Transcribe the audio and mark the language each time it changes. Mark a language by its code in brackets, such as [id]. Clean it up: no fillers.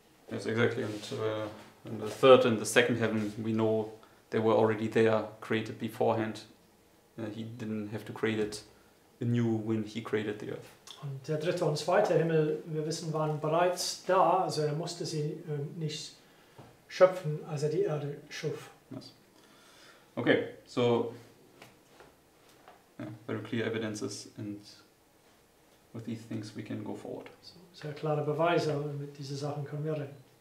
[en] Yes, exactly. And in the third and the second heaven, we know they were already there, created beforehand. He didn't have to create it anew when he created the earth. [de] Und der dritte und zweite Himmel, wir wissen, waren bereits da, also er musste sie nicht schöpfen, als er die Erde schuf. [en] Yes. Okay, so very clear evidences, and with these things we can go forward. [de] So, sehr klare Beweise, mit diesen Sachen können wir reden.